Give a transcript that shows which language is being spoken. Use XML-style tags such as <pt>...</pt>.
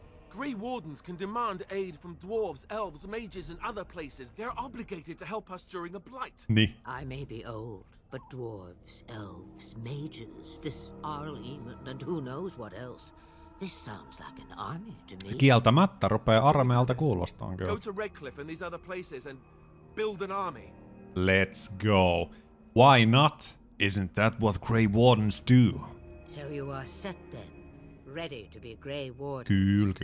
<en>Grey Wardens can demand aid from dwarves, elves, mages, and other places. They're obligated to help us during a blight. Ni. I may be old, but dwarves, elves, mages, this Aal-Eamon, and who knows what else. This sounds like an army to me.</en> <fi>Kieltämättä rupeaa armeijalta kuulostamaan kyllä.</fi> <en>Go to Redcliffe and these other places and build an army. Let's go. Why not? Isn't that what Grey Wardens do? So you are set then, ready to be a Grey Warden.</en>